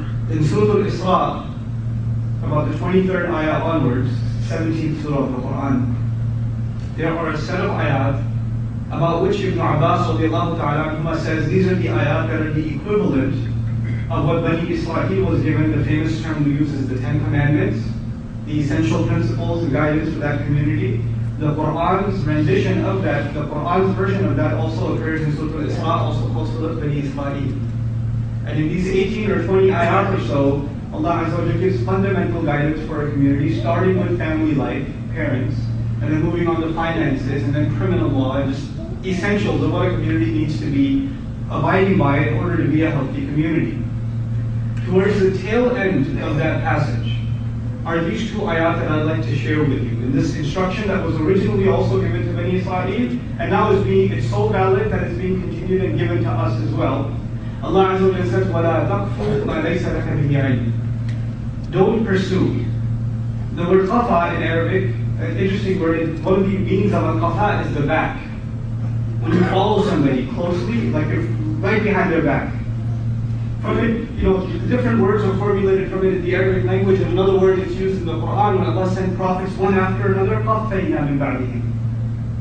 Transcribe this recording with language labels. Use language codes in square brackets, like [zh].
[en] In Surah Al-Isra, about the 23rd ayah onwards, 17th Surah of the Quran, there are a set of ayat about which Ibn Abbas says these are the ayat that are the equivalent of what Bani Israel was given, the famous term we use is the Ten Commandments, the essential principles and guidance for that community. The Quran's rendition of that, the Quran's version of that also appears in Surah Al-Isra, also called Surah Bani Israel. And in these 18 or 20 ayat or so, Allah Azza wa Jalla gives fundamental guidance for a community, starting with family life, parents, and then moving on to finances, and then criminal law, and just essentials of what a community needs to be abiding by in order to be a healthy community. Towards the tail end of that passage are these two ayat that I'd like to share with you. And this instruction that was originally also given to Bani Israel, and now it's so valid that it's being continued and given to us as well. Allah Azza wa Jalla says, [ar] وَلَا تَقْفُوا مَا لَيْسَ لَكَ بِهِ عِلْمٍ. [en] Don't pursue. The word qafa in Arabic, an interesting word, one of the meanings of a qafa is the back. When you follow somebody closely, like you're right behind their back. From it, the different words are formulated from it in the Arabic language, and another word is used in the Quran when Allah sent prophets one after another, [ar] قَفَّيْنَا مِنْ بَعْدِهِمْ.